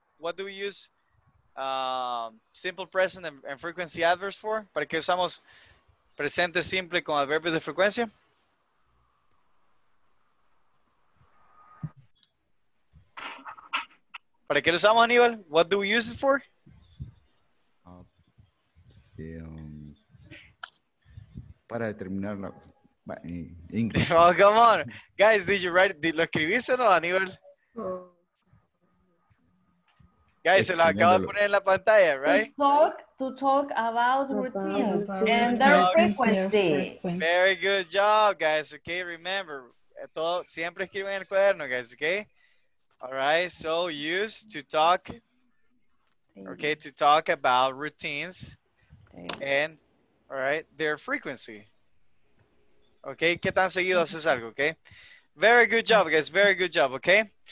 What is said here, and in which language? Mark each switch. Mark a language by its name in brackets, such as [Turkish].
[English] What do we use simple present and frequency adverbs for? [Spanish] ¿Para qué usamos presente simple con adverbios de frecuencia? ¿Para qué lo usamos, Aníbal? [English] What do we use it for? [Spanish] Para determinar la... [English] English. Oh, come on. Guys, did you write... Did, [Spanish] ¿lo escribiste o no, Aníbal? Guys, se lo acabo de poner en la pantalla, right? [English] To talk about routine and their frequency. Very good job, guys. Okay, remember. [Spanish] Todo, siempre escriben en el cuaderno, guys, okay? [English] All right, so use to talk, okay, to talk about routines and, all right, their frequency. Okay, [Spanish] ¿qué tan seguido haces algo, [English] okay? Very good job, guys, very good job, okay?